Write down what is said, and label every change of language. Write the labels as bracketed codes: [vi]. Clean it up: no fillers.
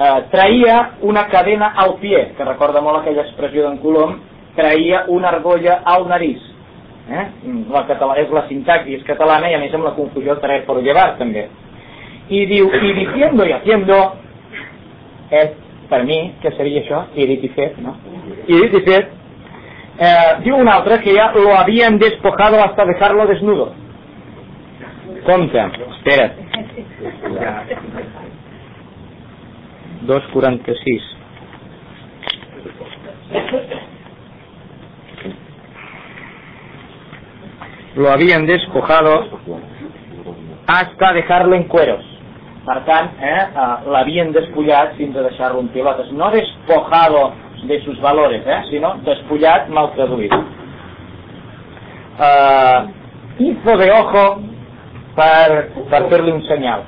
[es] Traia una cadena al pie, [ca] que recorda molt aquella expressió d'en Colom, [es] traia una argolla al nariz. [ca] La català, és la sintaxi, és catalana, i a més amb la confusió el [es] traer por llevar, [ca] també. I diu, [es] y diciendo y haciendo, [ca] és per mi, que seria això, i dit i fet, no? I dit i fet, diu un altre que ja [es] lo habían despojado hasta dejarlo desnudo. [ca] Compte, espera't. 2.46. [es] Lo habían despojado hasta dejarlo en cueros. [ca] Per tant, l'havien despullat fins a deixar-lo en pilotes. No [es] despojado de sus valores, [ca] sinó despullat, mal traduït. [es] Hizo de ojo [ca] per fer-li un senyal.